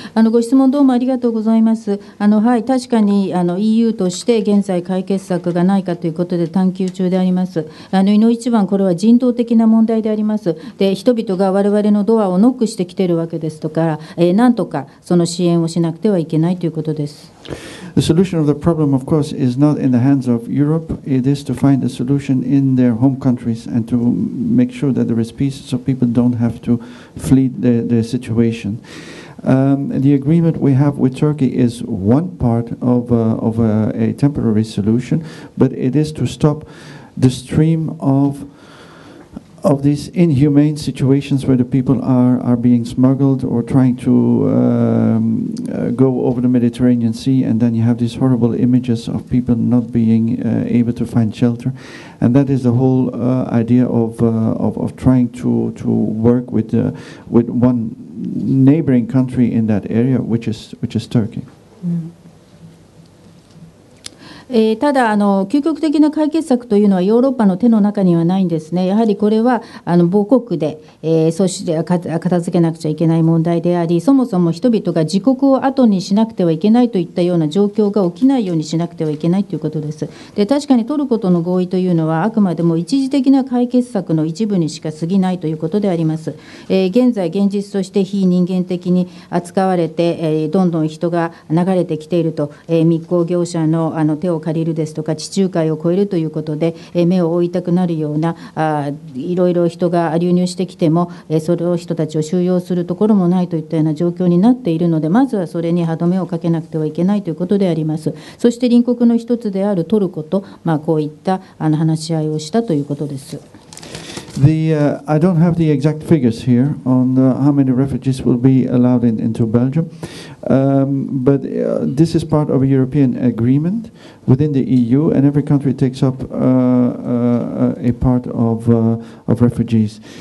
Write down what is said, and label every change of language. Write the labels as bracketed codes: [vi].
[ja] ご質問どうもありがとうございます。はい、確かにEU として現在解決策がないかということで探求中であります。いの一番、これは人道的な問題であります。で、人々が我々のドアをノックしてきているわけですとか、なんとかその支援をしなくてはいけないということです。 [en] The solution of the problem, of course, is not in the hands of Europe. It is to find a solution in their home countries and to make sure that there is peace so people don't have to flee their situation. The agreement we have with Turkey is one part of a temporary solution, but it is to stop the stream of these inhumane situations where the people are being smuggled or trying to go over the Mediterranean Sea, and then you have these horrible images of people not being able to find shelter. And that is the whole idea of trying to work with one neighboring country in that area, which is Turkey.、 [ja] ただ究極的な解決策というのはヨーロッパの手の中にはないんですね。やはりこれは母国で、そして片付けなくちゃいけない問題であり、そもそも人々が自国を後にしなくてはいけないといったような状況が起きないようにしなくてはいけないということです。で、確かにトルコとの合意というのはあくまでも一時的な解決策の一部にしか過ぎないということであります。現在現実として非人間的に扱われて、どんどん人が流れてきていると、密航業者の手を借りるですとか地中海を越えるということで目を覆いたくなるような、いろいろ人が流入してきても、それを人たちを収容するところもないといったような状況になっているので、まずはそれに歯止めをかけなくてはいけないということであります。そして隣国の一つであるトルコと、まあ、こういった話し合いをしたということです。 [en] I don't have the exact figures here on how many refugees will be allowed into Belgium, but this is part of a European agreement within the EU, and every country takes up a part of refugees.